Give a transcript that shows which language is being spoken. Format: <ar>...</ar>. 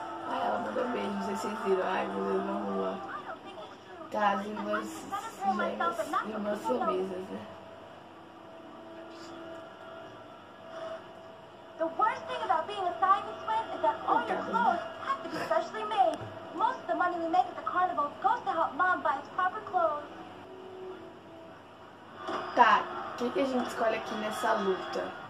<pt>Ai, ela manda beijo, não sei se vocês viram. Ai, meu Deus, vamos lá. Tá, as irmãs gêmeas e irmãs sumisas, né?</pt> <en>The worst thing about being a side sweat is that all your clothes have to be specially made. Most of the money we make at the carnival goes to help mom buy its proper clothes.</en> <pt>Tá, o que a gente escolhe aqui nessa luta?</pt>